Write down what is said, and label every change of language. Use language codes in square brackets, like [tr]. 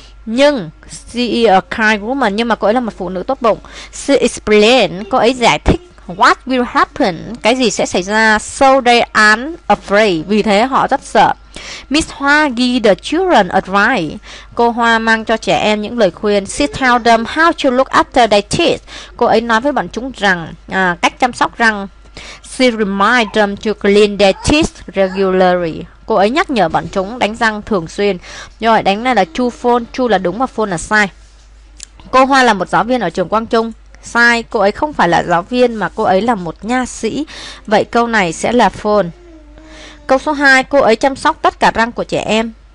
[vi] Nhưng [en] she is a kind woman. [vi] Nhưng mà cô ấy là một phụ nữ tốt bụng. [en] She explain. [vi] Cô ấy giải thích [en] what will happen. [vi] Cái gì sẽ xảy ra. [en] So they aren't afraid. [vi] Vì thế họ rất sợ. [en] Miss Hoa give the children advice. [vi] Cô Hoa mang cho trẻ em những lời khuyên. [en] She tell them how to look after their teeth. [vi] Cô ấy nói với bọn chúng rằng cách chăm sóc răng. [en] She remind them to clean their teeth regularly. [vi] Cô ấy nhắc nhở bọn chúng đánh răng thường xuyên. Rồi đánh này là chu phone. Chu là đúng và phone là sai. Cô Hoa là một giáo viên ở trường Quang Trung. Sai, cô ấy không phải là giáo viên mà cô ấy là một nha sĩ. Vậy câu này sẽ là phone. Câu số 2, cô ấy chăm sóc tất cả răng của trẻ em.